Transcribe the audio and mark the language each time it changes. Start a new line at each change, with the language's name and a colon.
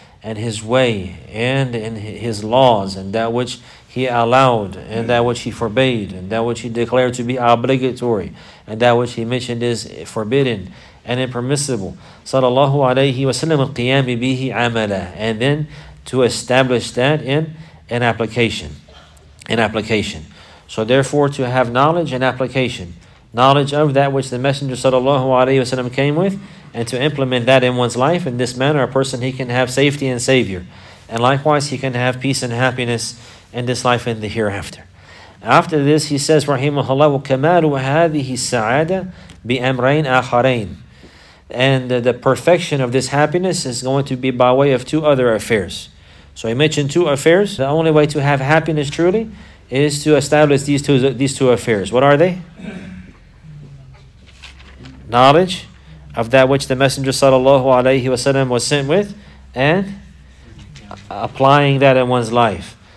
English: and his way and in his laws, and that which he allowed and that which he forbade, and that which he declared to be obligatory, and that which he mentioned is forbidden and impermissible, sallallahu alayhi wasallam,
Arabic: al-qiyami bihi amala,
English: and then to establish that in an application. In application. So therefore, to have knowledge and application. Knowledge of that which the Messenger sallallahu alayhi wasallam came with, and to implement that in one's life in this manner, a person, he can have safety and savior. And likewise, he can have peace and happiness in this life and the hereafter. After this, he says,
Arabic: رَحِيمُهَ وَكَمَالُ هَذِهِ السَّعَادَةِ بِأَمْرَيْنْ أَخَرَيْنْ.
English: And the perfection of this happiness is going to be by way of two other affairs. So he mentioned two affairs. The only way to have happiness truly is to establish these two affairs. What are they? Knowledge of that which the Messenger sallallahu alayhi wasallam was sent with, and applying that in one's life.